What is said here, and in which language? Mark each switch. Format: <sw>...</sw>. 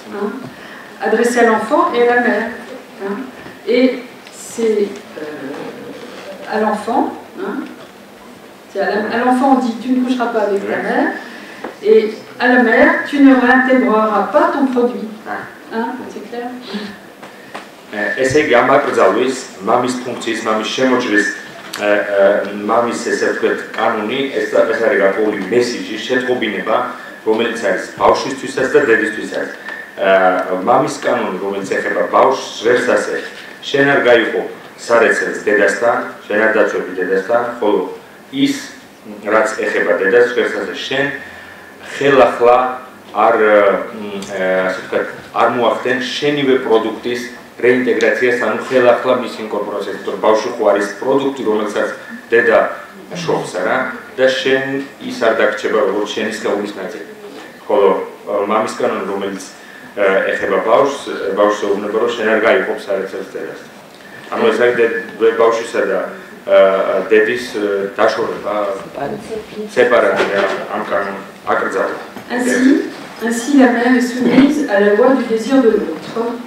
<fr>Hein, adressé à l'enfant et à la mère. Hein, et c'est à l'enfant. Hein, c'est à l'enfant, on dit tu ne coucheras pas avec ta mère. Et à la mère, tu ne réintégreras pas ton produit.</fr> <ka>ესე იგი, ამ აკრძალვის, მამის ფუნქციის, მამის შემოჭრის, მამის ესე ვთქვით კანონი, ეს არის გარკვეული მესიჯი, შეტყობინება, რომელიც არის ბავშვისთვისაც და დედისთვისაც. მამის კანონი, რომელიც ეხება ბავშვს, ვერც ასე, შენ არ გაიყო სარეცელს დედასთან, შენ არ დაწვევი დედასთან, ხოლო ის, რაც ეხება დედას, ვერც ასე, შენ ხელახლა არ ასე ვთქვით, არ მოახდენ შენივე პროდუქტის რეინტეგრაციას, ანუ ხელახლა მის ინკორპორაციას, იმიტომ რომ ბავშვი ხო არის პროდუქტი, რომელსაც დედა შობს, არა, და შენ ის არ დაგრჩება როგორც შენი სხეულის ნაწილი. ხოლო მამის კანონი, რომელიც ეხება ბავშვს, ბავშვს ეუბნება, რომ შენ არ გაიყოფს არცერთ დედას. ანუ ეს არის ბავშვისა და დედის დაშორება, სეპარატი რა ამ კანონს აკრძალვა.</ka> <fr>Ainsi, la mère est soumise à la loi du désir de l'autre.</fr>